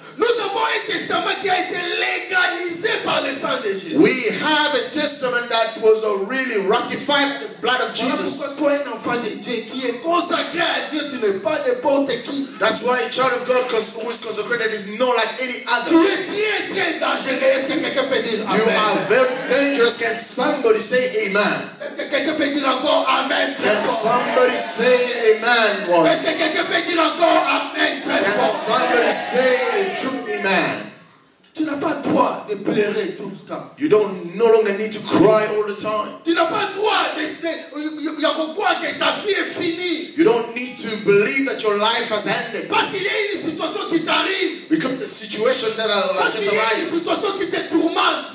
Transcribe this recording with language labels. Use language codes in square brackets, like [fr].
[fr] Nous avons un testament qui a été légalisé par le sang de Jésus. [en] We have a testament that was really ratified by the blood of Jesus. [fr] Pourquoi toi, enfant de Dieu, qui est consacré à Dieu, tu n'es pas n'importe qui. [en] That's why a child of God who is consecrated is not like any other. [fr] Tu es très, très dangereux. Est-ce que quelqu'un peut dire amen? [en] You are very dangerous. Can somebody say amen? [fr] Est-ce que quelqu'un peut dire encore amen très fort? [en] Can somebody say amen once? [fr] Est-ce que quelqu'un peut dire encore amen très fort? [en] Can somebody say amen? True man. [fr] Tu n'as pas droit de pleurer tout le temps. [en] You don't no longer need to cry all the time. [fr] Tu n'as pas droit de croire que ta vie est finie. [en] You don't need to believe that your life has ended. [fr] Parce qu'il y a une situation qui t'arrive. [en] Because the situation that has arrived. [fr] Parce qu'il y a une situation qui te tourmente.